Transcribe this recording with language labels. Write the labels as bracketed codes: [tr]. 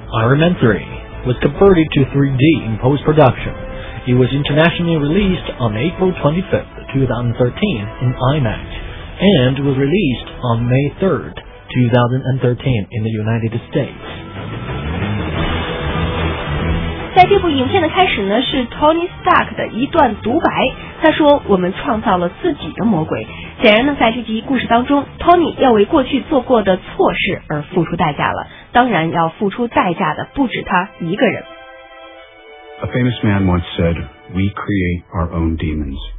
[en] Iron Man 3 was converted to 3D in post-production. It was internationally released on April 25th, 2013 in IMAX and was released on May 3rd, 2013 in the United States. [zh] 在这部影片的开始呢是 Tony Stark 的一段独白，他说我们创造了自己的魔鬼，显然呢在这集故事当中 Tony 要为过去做过的错事而付出代价了，当然要付出代价的不止他一个人。 [en] A famous man once said, we create our own demons.